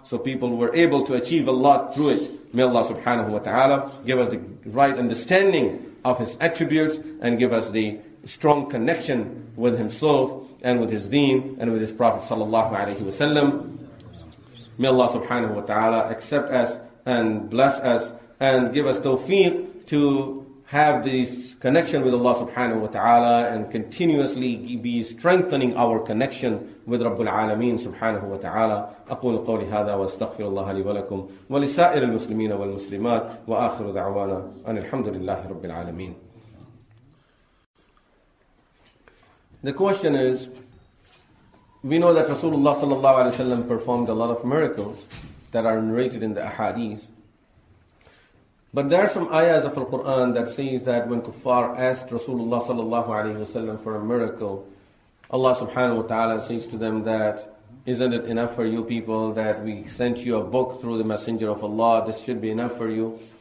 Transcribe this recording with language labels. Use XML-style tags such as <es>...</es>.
<en>So people were able to achieve a lot through it. May Allah subhanahu wa ta'ala give us the right understanding of His attributes and give us the strong connection with Himself and with His deen and with His Prophet sallallahu alayhi wa sallam. May Allah subhanahu wa ta'ala accept us and bless us and give us tawfiq to have this connection with Allah subhanahu wa ta'ala and continuously be strengthening our connection with Rabbul Alameen subhanahu wa ta'ala.</en> <ar>أقول قولي هذا واستغفر الله لي ولكم ولسائر المسلمين والمسلمات وآخر دعوانا أن الحمد لله رب العالمين.</ar> <en>The question is, we know that Rasulullah sallallahu alayhi wa sallam performed a lot of miracles that are narrated in the ahadith. But there are some ayahs of Al-Qur'an that says that when kuffar asked Rasulullah sallallahu alayhi wa sallam for a miracle, Allah subhanahu wa ta'ala says to them that, isn't it enough for you people that we sent you a book through the Messenger of Allah, this should be enough for you.</en>